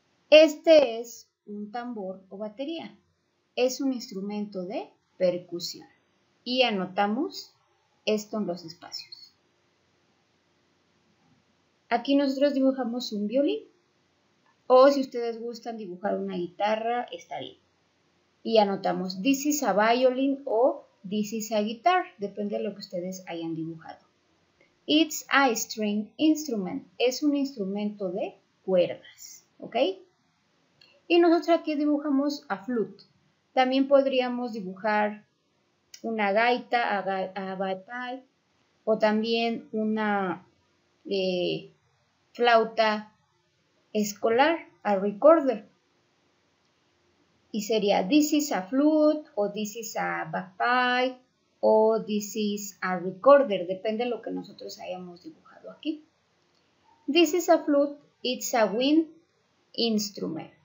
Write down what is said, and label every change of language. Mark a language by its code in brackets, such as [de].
[es] Este es un tambor o batería. Es un instrumento de percusión. Y anotamos esto en los espacios. Aquí nosotros dibujamos un violín. O si ustedes gustan dibujar una guitarra, está bien. Y anotamos, [en] this is a violin o this is a guitar. [es] Depende de lo que ustedes hayan dibujado. [en] It's a string instrument. [es] Es un instrumento de cuerdas. ¿Ok? Y nosotros aquí dibujamos a flute. También podríamos dibujar una gaita, a bagpipe, o también una flauta escolar, a recorder. Y sería [en] this is a flute, o this is a bagpipe. O this is a recorder, [es] depende de lo que nosotros hayamos dibujado aquí. [en] This is a flute, it's a wind instrument.